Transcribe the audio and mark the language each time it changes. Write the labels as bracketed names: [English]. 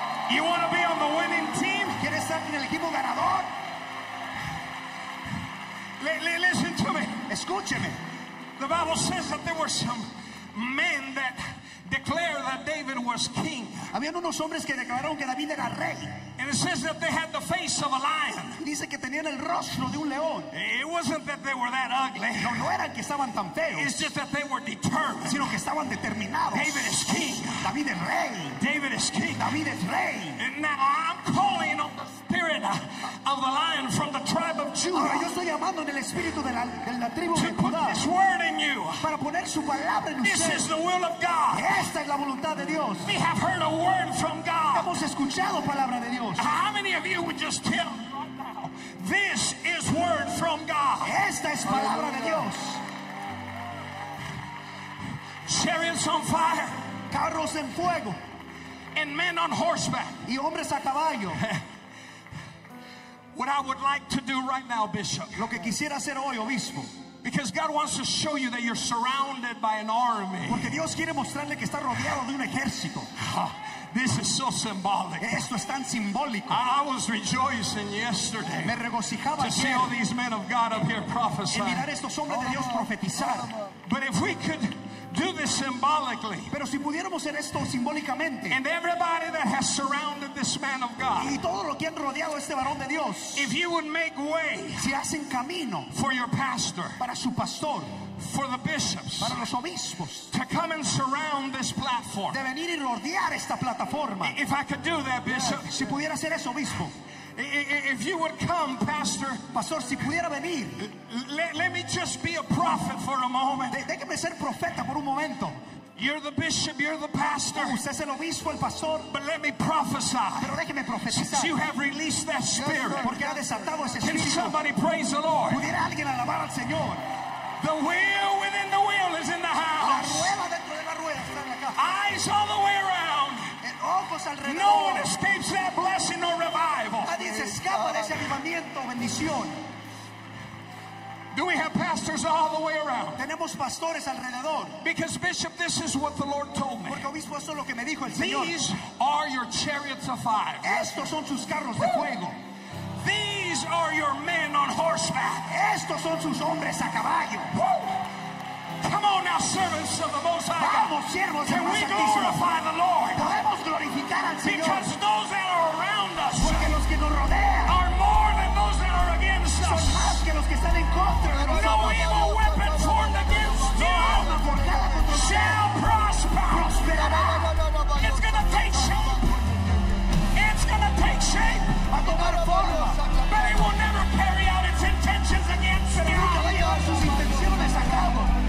[English] You want to be on the winning team? [Spanish] ¿Quiere estar en el equipo ganador? [English] Listen to me. [Spanish] Escúcheme. [English] The Bible says that there were some men that declared that David was king. [Spanish] Habían unos hombres que declararon que David era rey. [English] And it says that they had the face of a lion. [Spanish] Dice que tenían el rostro de un león. [English] It wasn't that they were that ugly. [Spanish] No eran que estaban tan feos. [English] It's just that they were determined. [Spanish] Sino que estaban determinados. [English] David is king. [Spanish] David es rey. [English] David is king. [Spanish] David es rey. [English] And now I'm calling on the spirit of the lion from the tribe of Judah. [Spanish] Ahora yo estoy llamando en el espíritu de la tribu de Judá. [English] To put his word in you. [Spanish] Para poner su palabra en usted. [English] This is the will of God. [Spanish] Esta es la voluntad de Dios. [English] We have heard a word from God. [Spanish] Hemos escuchado palabra de Dios. [English] How many of you would just tell me right now? This is word from God. [Spanish] Esta es palabra de Dios. [English] Chariots on fire. [Spanish] Carros en fuego. [English] And men on horseback. [Spanish] Y hombres a caballo. [English] What I would like to do right now, Bishop. [Spanish] Lo que quisiera hacer hoy, obispo. [English] Because God wants to show you that you're surrounded by an army. [Spanish] Porque Dios quiere mostrarle que está rodeado de un ejército. [English] This is so symbolic. [Spanish] Esto es tan simbólico. [English] I was rejoicing yesterday. [Spanish] Me regocijaba [English] to see all these men of God up here prophesying. [Spanish] Y mirar estos hombres de Dios profetizar. [English] But if we could do this symbolically. [Spanish] Pero si pudiéramos hacer esto simbólicamente. [English] And everybody that has surrounded this man of God. [Spanish] Y todo lo que han rodeado este varón de Dios. [English] If you would make way. [Spanish] Si hacen camino. [English] For your pastor. [Spanish] Para su pastor. [English] For the bishops. [Spanish] Para los obispos. [English] To come and surround this platform. [Spanish] De venir y rodear esta plataforma. [English] If I could do that, Bishop. Yes. [Spanish] Si pudiera hacer eso, obispo. [English] If you would come, Pastor. [Spanish] Pastor, si pudiera venir. [English] Let me just be a prophet for a moment. [Spanish] Déjeme ser profeta por un momento. [English] You're the bishop, you're the pastor. [Spanish] Usted es el obispo, el pastor. [English] But let me prophesy. [Spanish] Pero déjeme profetizar. [English] Since you have released that spirit. [Spanish] Porque ha desatado ese espíritu. [English] Can somebody praise the Lord? [Spanish] ¿Pudiera alguien alabar al Señor? [English] The wheel within the wheel is in the house. [Spanish] La rueda dentro de la rueda está en la casa. [English] Eyes all the way around. [Spanish] Ojos alrededor. [English] No one escapes that blessing or revival. [Spanish] Nadie se escapa de ese avivamiento o bendición. [English] Do we have pastors all the way around? [Spanish] Tenemos pastores alrededor. [English] Because Bishop, this is what the Lord told me. [Spanish] Porque obispo, eso es lo que me dijo el [English] These [Spanish] Señor. [English] These are your chariots of fire. [Spanish] Estos son sus carros de fuego. [English] These are your men on horseback. [Spanish] Estos son sus hombres a caballo. [English] Come on now, servants of the Most High. [Spanish] Vamos, siervos de Dios. [English] Can we glorify the Lord? [Spanish] Podemos glorificar al Señor. [English] Because those that are around us. [Spanish] Porque los que nos rodean. [English] Are more than those that are against us. [Spanish] Son más que los que están en contra de nosotros. [English] No evil weapon formed against you. Shall prosper. [Spanish] Prosperará. [English] It's gonna take shape. It's gonna take shape. [Spanish] Va a tomar forma. [English] But it will never carry out its intentions against you. [Spanish] Nunca va a llevar sus intenciones a cabo.